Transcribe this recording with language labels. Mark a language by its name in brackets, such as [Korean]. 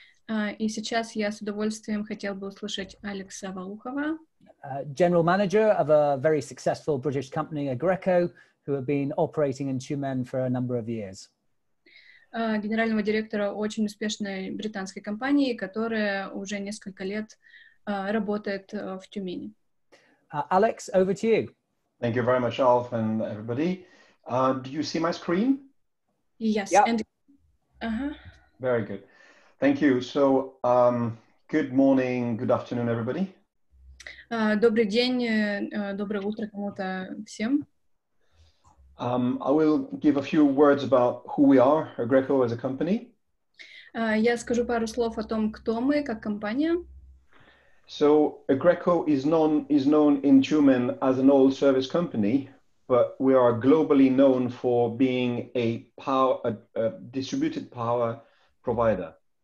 [Russian] И сейчас я с удовольствием хотел бы услышать Алекса Валухова. [English] General manager of a very successful British company, Agreco, who have been operating in Tumen for a number of years. [Russian] Генерального директора очень успешной британской компании, которая уже несколько лет работает в Тюмени. [English] Alex, over to you. Thank you very much, Alf, and everybody. Do you see my screen? Yes. Yep. And, Very good. Thank you. So, good morning, good afternoon, everybody. [Russian] Добрый день, доброе утро кому-то всем. [English] I will give a few words about who we are, Agreco as a company. [Russian] Я скажу пару слов о том, кто мы как компания. [English] So, Agreco is known in Tumen as an oil service company, but we are globally known for being a distributed power provider.